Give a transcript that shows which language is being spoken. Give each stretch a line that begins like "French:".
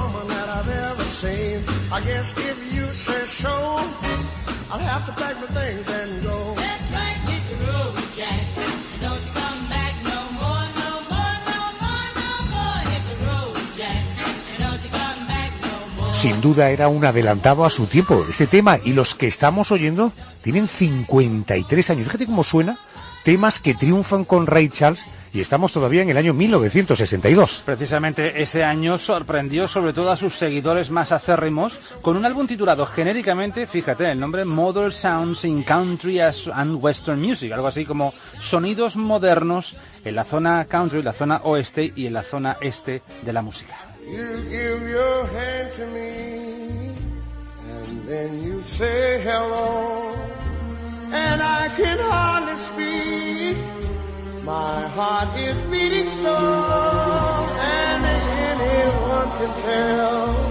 English: I guess if you say so, I'll have to pack my things and go. That's right, hit the road, Jack. And don't you come back no more, no more, no more, no more. Hit the road, Jack. And don't you come back no more.
Spanish: Sin duda era un adelantado a su tiempo este tema, y los que estamos oyendo tienen 53 años. Fíjate cómo suena temas que triunfan con Ray Charles. Y estamos todavía en el año 1962. Precisamente ese año sorprendió sobre todo a sus seguidores más acérrimos con un álbum titulado genéricamente, fíjate, el nombre, Modern Sounds in Country and Western Music, algo así como sonidos modernos en la zona country, la zona oeste y en la zona este de la música.
English: You give your hand to me, and then you say hello, and I can hardly speak. My heart is beating so, and anyone can tell.